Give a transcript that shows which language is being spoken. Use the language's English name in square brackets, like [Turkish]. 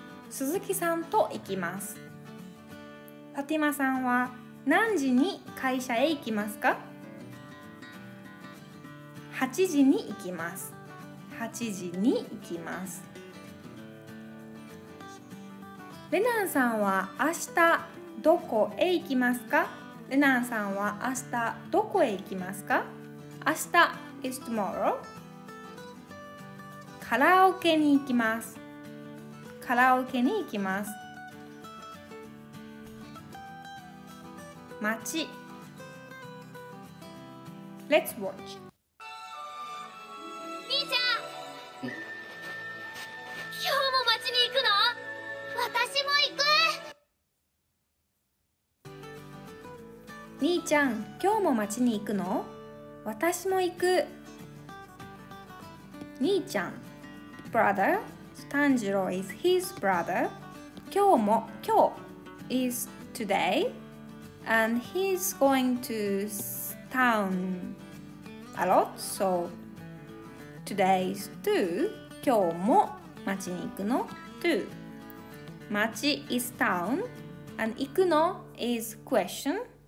[Japanese] 鈴木さんと行きます。ファティマさんは何時に会社へ行きますか ?8 時に行きます。 8時に行きます。レナンさんは明日どこへ行きますか？レナンさんは明日どこへ行きますか？ [English] 明日 is tomorrow。 [Japanese] カラオケに行きます。カラオケに行きます。 [English] 街 Let's watch. [Japanese] 兄ちゃん、今日も街に行くの？私も行く。兄ちゃん、今日も街に行くの？私も行く。兄ちゃん、 [English] brother、炭治郎 is his brother。 [Japanese] 今日も、今日 [English] is today。 And he's going to town a lot, so today's to, [Japanese] 今日も町に行くの [English] to. 町 is town, and [Japanese] 行くの [English] is question.